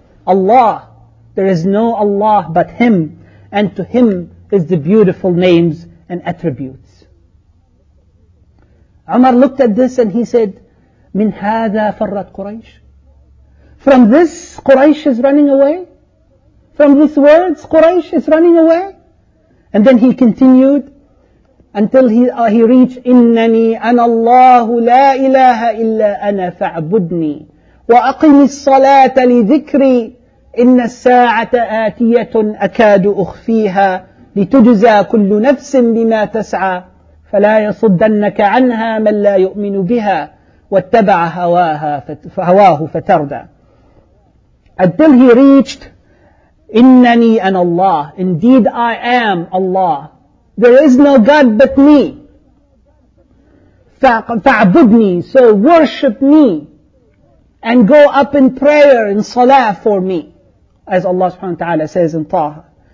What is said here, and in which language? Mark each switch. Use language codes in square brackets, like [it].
[en] Allah, there is no Allah but him, and to him is the beautiful names and attributes. Umar looked at this and he said, [ar] من هذا فرت قريش. [en] From this Quraysh is running away. From these words, Quraysh is running away. And then he continued until he reached, [ar] إِنَّنِي أَنَا اللَّهُ لَا إِلَهَ إِلَّا أَنَا فَاعْبُدْنِي وَأَقِمِ الصَّلَاةَ لِذِكْرِي إِنَّ السَّاعَةَ آتِيَةٌ أَكَادُ أُخْفِيهَا لِتُجْزَى كُلُّ نَفْسٍ بِمَا تَسْعَى فَلَا يَصُدَّنَّكَ عَنْهَا مَنْ لَا يُؤْمِنُ بِهَا وَاتَّبَعَ هَوَاهُ فَتَرْدَى. [en] Until he reached, [ar] إِنَّنِي أَنَ اللَّهُ, [en] indeed I am Allah, there is no God but me, [ar] فَعْبُدْنِي, [en] so worship me, and go up in prayer, in salah for me, as Allah subhanahu wa ta'ala says in طه.